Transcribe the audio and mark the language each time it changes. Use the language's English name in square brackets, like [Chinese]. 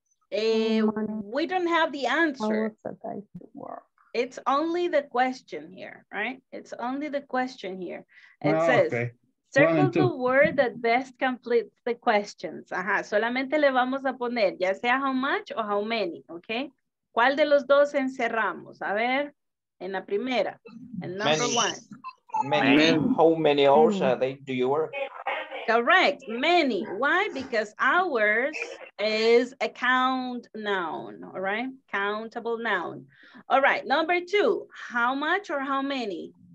[English] We don't have the answer. It's only the question here, right? It says, circle the word that best completes the questions. [Spanish] Ajá, solamente le vamos a poner, ya sea how much o how many, okay? ¿Cuál de los dos encerramos? A ver, en la primera, en [English] number one. How many hours a day do you work? Correct, many. Why? Because hours is a count noun, all right? Countable noun. All right, number two, how much or how many?